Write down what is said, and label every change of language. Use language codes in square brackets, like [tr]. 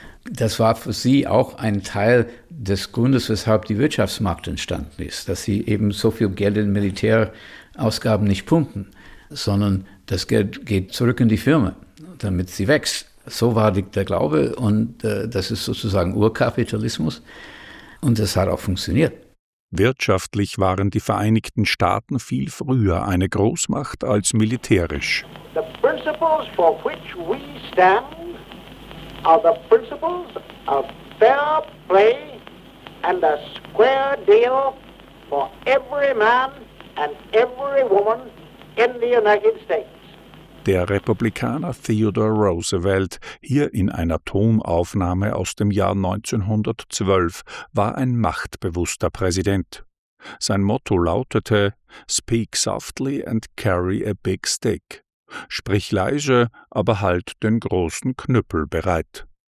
[de] Das war für sie auch ein Teil des Grundes, weshalb die Wirtschaftsmacht entstanden ist, dass sie eben so viel Geld in Militärausgaben nicht pumpen, sondern das Geld geht zurück in die Firma, damit sie wächst. So war der Glaube und das ist sozusagen Urkapitalismus und das hat auch funktioniert. Wirtschaftlich waren die Vereinigten Staaten viel früher eine Großmacht als militärisch. [en] The principles for which we stand are the principles of fair play and a square deal for every man and every woman in the United States. [de] Der Republikaner Theodore Roosevelt, hier in einer Tonaufnahme aus dem Jahr 1912, war ein machtbewusster Präsident. Sein Motto lautete » [en] Speak softly and carry a big stick«, [de] sprich leise, aber halt den großen Knüppel bereit.